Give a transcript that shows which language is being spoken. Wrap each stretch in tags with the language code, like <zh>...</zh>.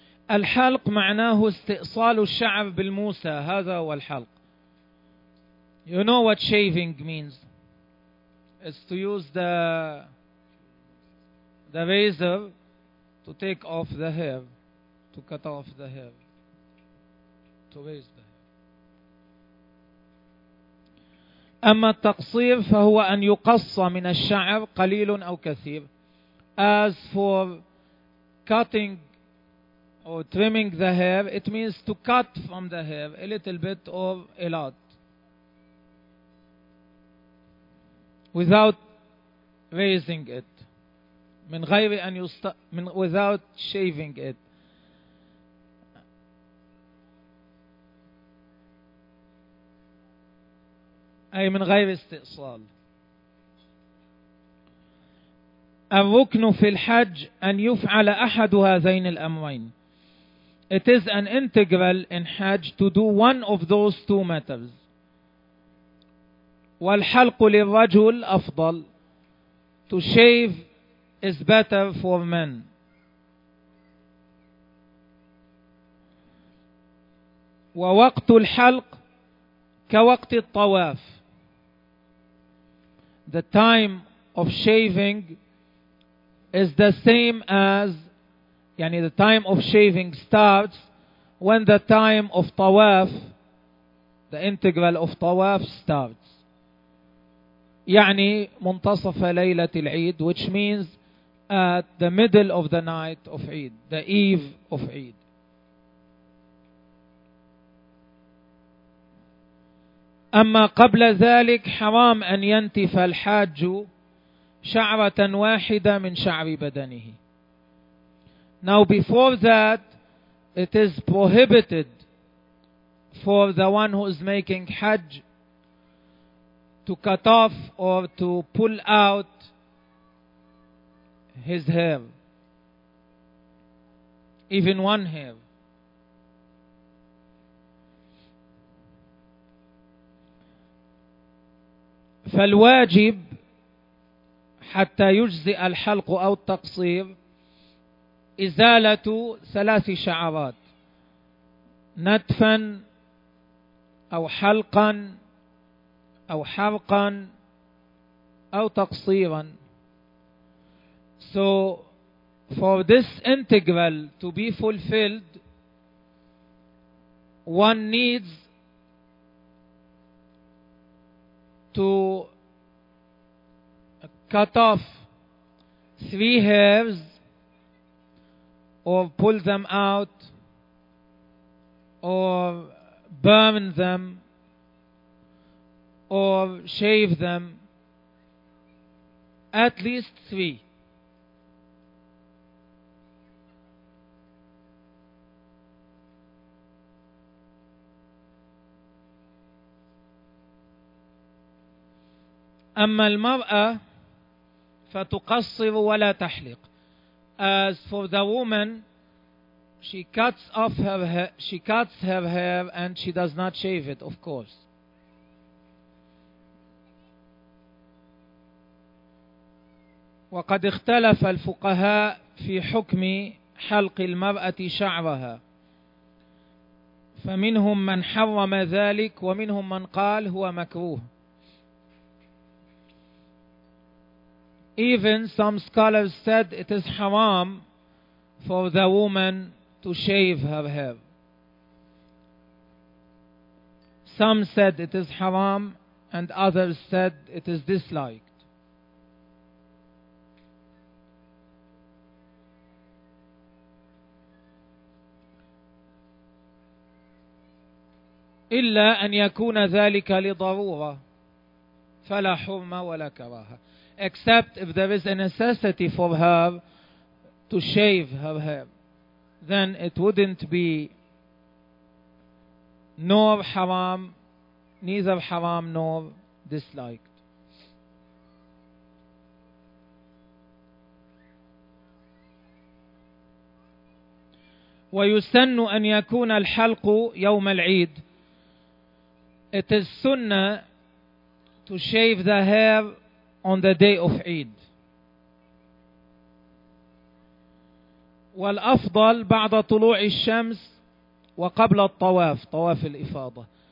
<ar>الحلق معناه استئصال الشعر بالموسى. هذا هو الحلق.</ar> <en>You know what shaving means? It's to use the razor to take off the hair. To cut off the hair, to raise the hair.</en> <ar>أما التقصير فهو أن يقص من الشعر قليل أو كثير.</ar> <en>As for cutting or trimming the hair, it means to cut from the hair a little bit or a lot without raising it.</en> <ar>من غير أن يست من</ar> <en>without shaving it.</en> <ar>أي من غير استئصال. الركن في الحج أن يفعل أحد هذين الأمرين.</ar> <en>It is an integral in Hajj to do one of those two matters.</en> <ar>والحلق للرجل أفضل.</ar> <en>To shave is better for men.</en> <ar>ووقت الحلق كوقت الطواف.</ar> <en>The time of shaving is the same as, يعني the time of shaving starts when the time of tawaf, the integral of tawaf starts.</en> <ar>يعني منتصف ليلة العيد,</ar> <en>which means at the middle of the night of Eid, the eve of Eid.</en> <ar>أما قبل ذلك حرام أن ينتف الحاج شعرة واحدة من شعر بدنه.</ar> <en>Now before that, it is prohibited for the one who is making Hajj to cut off or to pull out his hair, even one hair.</en> <ar>فالواجب حتى يجزئ الحلق أو التقصير إزالة ثلاث شعرات نتفا أو حلقا أو حرقا أو تقصيرا.</ar> <en>So for this integral to be fulfilled, one needs to cut off three hairs or pull them out or burn them or shave them, at least three.</en> <ar>أما المرأة فتقصر ولا تحلق.</ar> <en>As for the woman, she cuts her hair and she does not shave it, of course.</en> <ar>وقد اختلف الفقهاء في حكم حلق المرأة شعرها. فمنهم من حرم ذلك ومنهم من قال هو مكروه.</ar> <en>Even some scholars said it is haram for the woman to shave her hair. Some said it is haram and others said it is disliked.</en> <ar>إلا أن يكون ذلك لضرورة فلا حرمة ولا كراهة.</ar> <en>Except if there is a necessity for her to shave her hair, then it wouldn't be nor haram, neither haram nor disliked.</en> <ar>ويسن أن يكون الحلق يوم العيد.</ar> <en>It is sunnah to shave the hair on the day of Eid.</en> <ar>والأفضل بعد طلوع الشمس وقبل الطواف, طواف الإفاضة.</ar>